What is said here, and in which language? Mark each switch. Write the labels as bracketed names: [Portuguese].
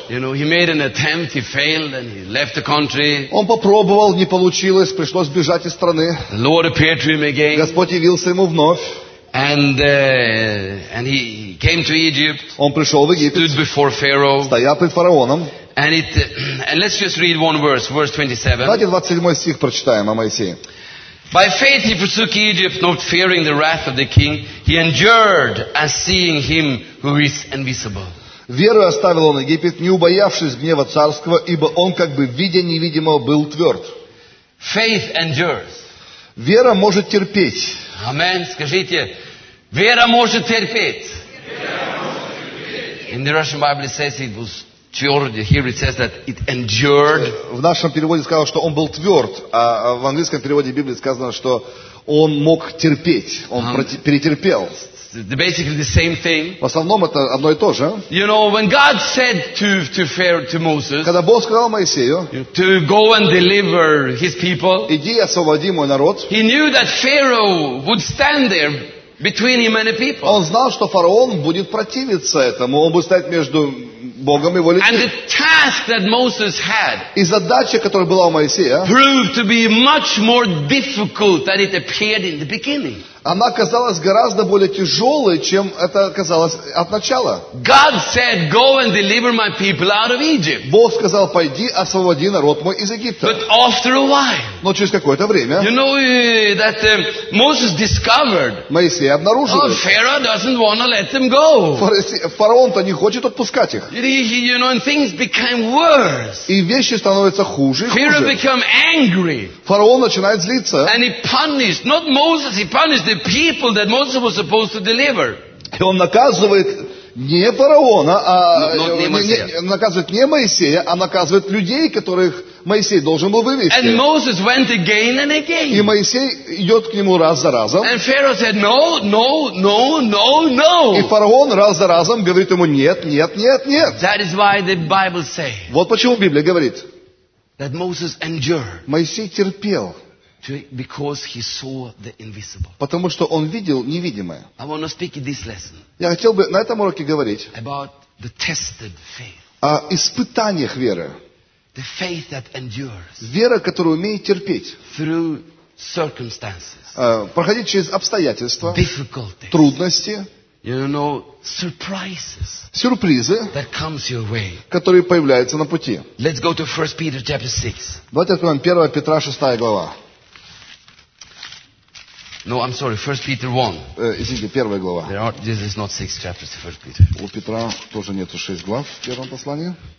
[English] You know, he made an attempt, he failed, and he left the country. [Russian] Он попробовал, не получилось, пришлось бежать из страны. [English] The Lord appeared to him again. [Russian] Господь явился ему вновь. [English] And he came to Egypt. [Russian] Он пришел в Египет. [English] Stood before Pharaoh. [Russian] Стоял пред фараоном. [English] And let's just read one verse, verse 27. [Russian] Давайте 27 стих прочитаем о Моисее. [English] By faith he forsook Egypt, not fearing the wrath of the king. He endured as seeing him who is invisible. [Russian] Верою оставил он Египет, не убоявшись гнева царского, ибо он как бы видя невидимого был тверд. [English] Faith endures. [Russian] Вера может терпеть. Амен. Скажите, вера может терпеть. [English] In the Russian Bible it says it was tvird. Here it says that it endured. [Russian] В нашем переводе сказано, что он был тверд, а в английском переводе Библии сказано, что он мог терпеть, он перетерпел. [English] Basically the same thing. [Russian] В основном это одно и то же. [English] You know, when God said to Pharaoh, to Moses, [Russian] когда Бог сказал Моисею, [English] to go and deliver his people, [Russian] иди освободи мой народ, [English] he knew that Pharaoh would stand there between him and the people. [Russian] Он знал, что фараон будет противиться этому, он будет стоять между Богом и его людьми. [English] And the task that Moses had, [Russian] и задача, которая была у Моисея, [English] proved to be much more difficult than it appeared in the beginning. [Russian] Она казалась гораздо более тяжелой, чем это казалось от начала. [English] God said, "Go and deliver my people out of Egypt." [Russian] Бог сказал, пойди, освободи народ мой из Египта. [English] But after a while, [Russian] но через какое-то время, [English] you know, that Moses discovered, [Russian] Моисей обнаружил, [English] oh, Pharaoh doesn't want to let them go. [Russian] Фараон-то не хочет отпускать их. [English] You know, and things became worse. [Russian] И вещи становятся хуже и хуже. [English] Pharaoh became angry. [Russian] Фараон начинает злиться. [English] And he punished, not Moses, he punished the people that Moses was supposed to deliver. [Russian] И он наказывает не фараона, а наказывает не Моисея, а наказывает людей, которых Моисей должен был вывести. [English] And Moses went again and again. [Russian] И Моисей идет к нему раз за разом. [English] And Pharaoh said, no, no, no, no, no. [Russian] И фараон раз за разом говорит ему нет, нет, нет, нет. [English] That is why the Bible say. [Russian] Вот почему Библия говорит. [English] That Moses endured. [Russian] Моисей терпел. [English] Because he saw the invisible. [Russian] Потому что он видел невидимое. [English] I want to speak in this lesson. [Russian] Я хотел бы на этом уроке говорить. [English] About the tested faith. [Russian] О испытаниях веры. [English] The faith that endures. [Russian] Вера, которая умеет терпеть. [English] Through circumstances. [Russian] Проходить через обстоятельства. [English] Difficulties. [Russian] Трудности. [English] You know, surprises. [Russian] Сюрпризы. [English] That comes your way. [Russian] Которые появляются на пути. [English] Let's go to 1 Peter chapter 6. [Russian] Давайте откроем 1 Петра 6 глава. [English] No, I'm sorry. 1 Peter 1. [Russian] Извините, первая глава. [English] There are, this is not six chapters in 1 Peter. [Russian] У Петра тоже нету шесть глав в первом послании.